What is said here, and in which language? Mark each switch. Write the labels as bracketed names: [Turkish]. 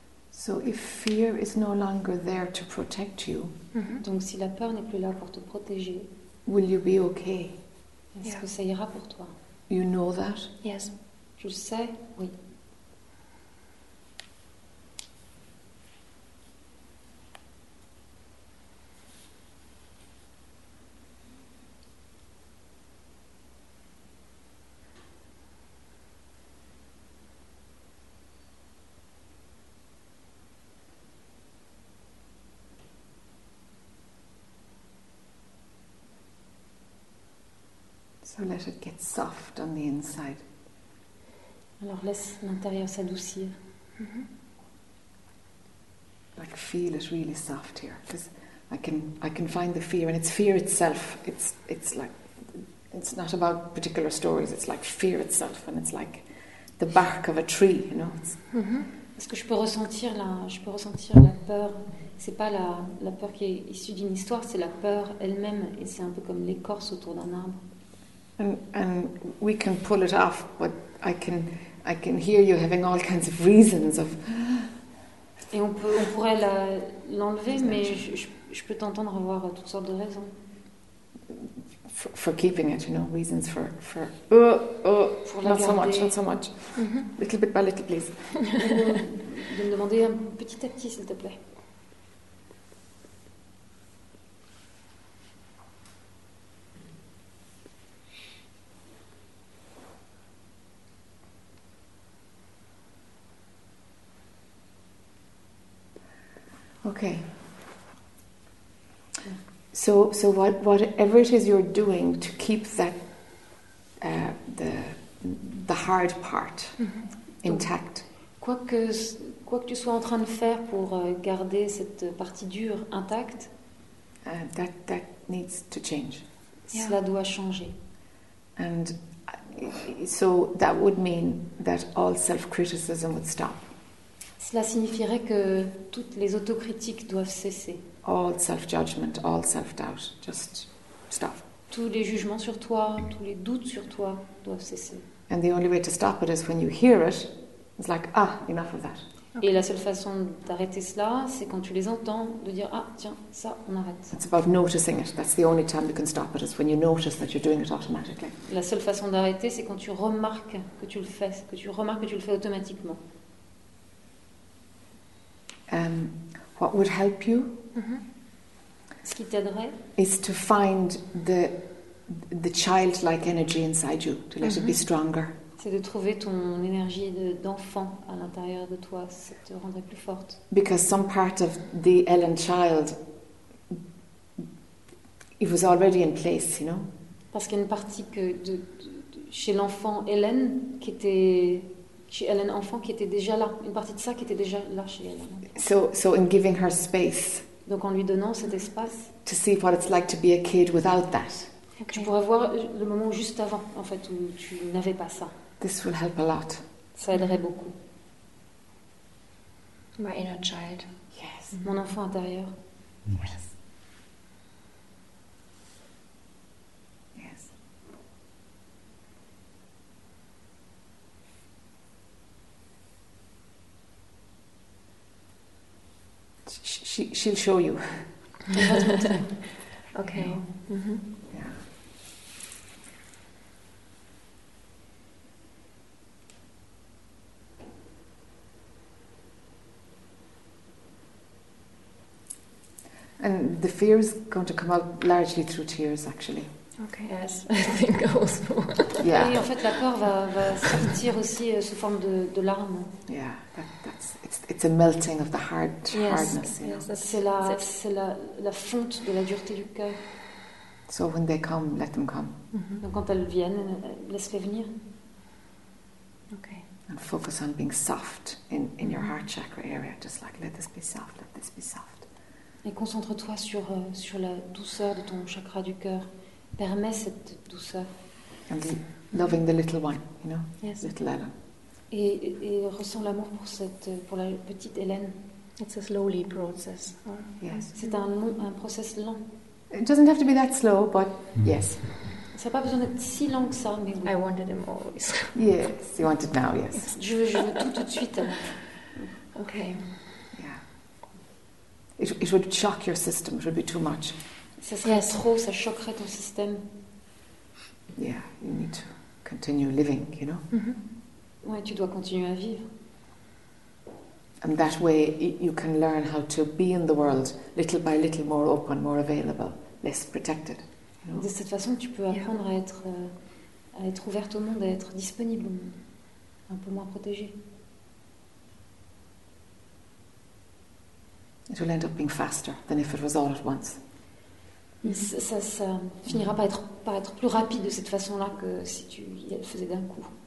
[English] So if fear is no longer there to protect you, [French] donc si la peur n'est plus là pour te protéger, [English] will you be okay? [French] Est-ce que ça ira pour toi? [English] You know that? Yes. [French] Tu le sais? Oui. [English] So let it get soft on the inside. [French] Alors laisse l'intérieur s'adoucir. [English] Like feel it really soft here, because I can find the fear, and it's fear itself. It's like it's not about particular stories. It's like fear itself, and it's like the bark of a tree, you know. [French] Parce que je peux ressentir la peur. C'est pas la peur qui est issue d'une histoire. C'est la peur elle-même, et c'est un peu comme l'écorce autour d'un arbre. [English] And we can pull it off, but I can hear you having all kinds of reasons of. [French] Et on pourrait l'enlever, mais je peux t'entendre avoir toutes sortes de raisons. [English] For keeping it, you know, reasons for [French] la [English] not [French] garder. [English] So much, not so much. Mm-hmm. Little bit by little, please. [French] De me demander un petit à petit, s'il te plaît. [English] Okay. So whatever it is you're doing to keep that the hard part intact. [French] Quoi que tu sois en train de faire pour garder cette partie dure intacte, [English] that needs to change. [French] Cela doit changer. [English] And so that would mean that all self-criticism would stop. [French] Cela signifierait que toutes les autocritiques doivent cesser. [English] All self-judgment, all self-doubt, just stop. [French] Tous les jugements sur toi, tous les doutes sur toi doivent cesser. [English] And the only way to stop it is when you hear it. It's like, ah, enough of that. [French] Et la seule façon d'arrêter cela, c'est quand tu les entends, de dire, ah, tiens, ça, on arrête. [English] It's about noticing it. That's the only time you can stop it, is when you notice that you're doing it automatically. [French] La seule façon d'arrêter, c'est quand tu remarques que tu le fais, que tu remarques que tu le fais automatiquement. [English] What would help you? [French] Ce qui t'aiderait? [English] Is to find the childlike energy inside you, to let it be stronger. [French] C'est de trouver ton énergie d'enfant à l'intérieur de toi, ça te rendrait plus forte. [English] Because some part of the Ellen child, it was already in place, you know. [French] Parce qu'il y a une partie que de chez l'enfant Ellen qui était chez Ellen enfant qui était déjà là, une partie de ça qui était déjà là chez Ellen. [English] So in giving her space. [French] Donc en lui donnant cet espace. [English] To see what it's like to be a kid without that. Okay. [French] Tu pourrais voir le moment juste avant, en fait, où tu n'avais pas ça. [English] This will help a lot. [French] Ça aiderait beaucoup. [English] My inner child. Yes. [French] Mon enfant intérieur. [English] Yes. Yes. She'll show you. Okay. No. And the fear is going to come out largely through tears, actually. Okay. Yes, I think also. Yeah. [French] Et en fait, la peur va sortir aussi sous forme de larmes. [English] Yeah, it's a melting of the hard, yes. Hardness. Yes, [French] c'est la fonte de la dureté du cœur. [English] So when they come, let them come. [French] Mm-hmm. Donc quand elles viennent, laisse-les venir. [English] Okay. And focus on being soft in your heart chakra area, just like let this be soft, let this be soft. [French] Et concentre-toi sur la douceur de ton chakra du cœur. Permets cette douceur. [English] And loving the little one, you know, yes. Little Ellen. [French] Et ressens l'amour pour la petite Hélène. [English] It's a slowly process. Yes. [French] C'est un process lent. [English] It doesn't have to be that slow, but yes. [French] Ça n'a pas besoin d'être si lent que ça, mais oui. [English] I wanted him always. Yes, you want it now, yes. [French] Je veux tout de suite. [English] Okay. It would shock your system. It would be too much. [French] Ça serait trop, ça choquerait ton système. [English] Yeah, you need to continue living, you know. [French] Mm-hmm. Ouais, tu dois continuer à vivre. [English] And that way you can learn how to be in the world little by little, more open, more available, less protected. You know? [French] De cette façon, tu peux apprendre à être ouverte au monde, à être disponible au monde, un peu moins protégée. [English] It will end up being faster than if it was all at once. [French] Ça finira par être plus rapide de cette façon-là que si tu le faisais d'un coup.